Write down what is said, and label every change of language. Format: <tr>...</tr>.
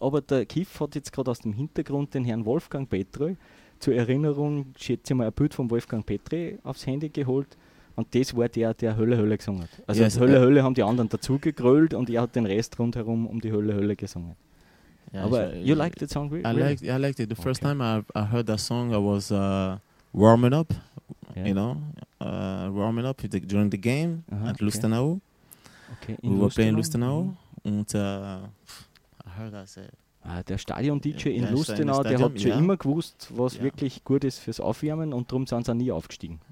<de>Aber der Kif hat jetzt gerade aus dem Hintergrund den Herrn Wolfgang Petri zur Erinnerung, schätze ich mal, ein Bild von Wolfgang Petri aufs Handy geholt. Und das war der, der Hölle, Hölle gesungen hat. Also</de> <en>yes,</en> <de>Hölle, Hölle haben die anderen dazu gegrölt und er hat den Rest rundherum um die Hölle, Hölle gesungen.</de> <en>Yeah,</en> <de>aber</de> <en>you liked the song, really? I liked it. The first time I heard that song, I was warming up, you know, warming up during the game at Lustenau. Okay. We were playing Lustenau. And I heard that.</en> <de>Der Stadion-DJ in Lustenau, der hat schon immer gewusst, was wirklich gut ist fürs Aufwärmen und darum sind sie nie aufgestiegen.</de>